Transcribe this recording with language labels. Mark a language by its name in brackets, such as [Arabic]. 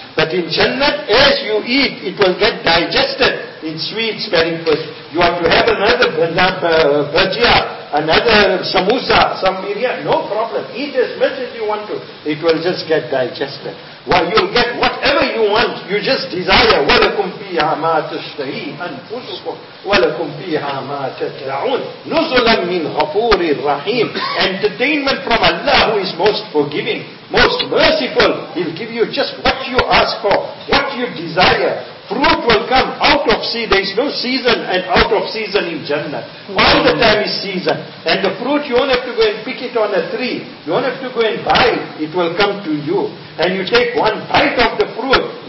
[English] But in Jannah, as you eat, it will get digested in sweet-smelling perspiration. You have to have another bhajia, another samosa, some biryani. No problem. Eat as much as you want to. It will just get digested. Well, you'll get whatever you want. You just desire. [Arabic] وَلَكُمْ فِيهَا مَا تَشْتَهِي أَنفُسُكُمْ وَلَكُمْ فِيهَا مَا تَدْعُونَ نُزُلًا مِّنْ غَفُورِ الرَّحِيمِ Entertainment from Allah, who is most forgiving, most merciful. [English] He'll give you just what you ask for, what you desire. Fruit will come out of season. There is no season and out of season in Jannah. All the time is season. And the fruit, you don't have to go and pick it on a tree. You don't have to go and buy it. It will come to you. And you take one bite of the fruit.